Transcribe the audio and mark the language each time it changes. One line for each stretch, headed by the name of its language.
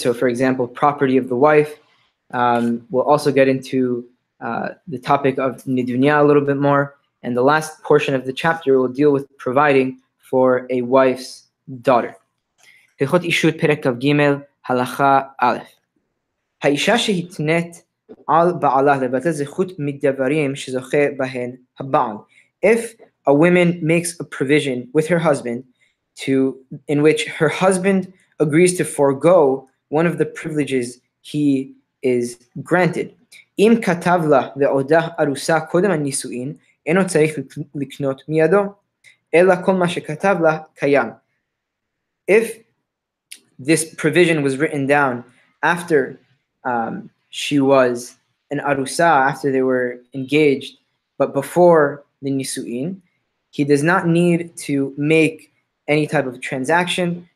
English: So, for example, property of the wife. We'll also get into the topic of Nidunya a little bit more. And the last portion of the chapter will deal with providing for a wife's daughter.
Hebrew: Hilchot Ishut, Perek Kav Gimel, Halacha Aleph. האישה שהתנית על בעלה לבטא זכות מדברים שזוכה בהן הבעל.
English: If a woman makes a provision with her husband in which her husband agrees to forego one of the privileges he is granted.
Hebrew: אם כתב לה ועודה ארוסה קודם הנישואין, אינו צריך לקנות מידו, אלא כל מה שכתב לה קיים.
English: If this provision was written down after she was an arusa, after they were engaged, but before the nisuin, he does not need to make any type of transaction.